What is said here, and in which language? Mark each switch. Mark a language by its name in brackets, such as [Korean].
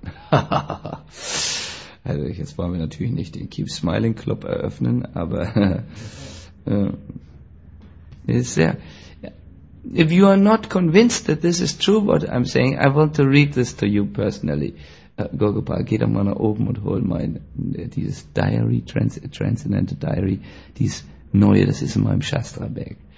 [German] Also, jetzt wollen wir natürlich nicht den Keep Smiling Club eröffnen, aber. [English] Is there? If you are not convinced that this is true, what I'm saying, I want to read this to you personally. [German] Gopal, geh doch mal nach oben und hol mein dieses Diary, Transcendental Diary, dies neue, das ist in meinem Shastra Bag.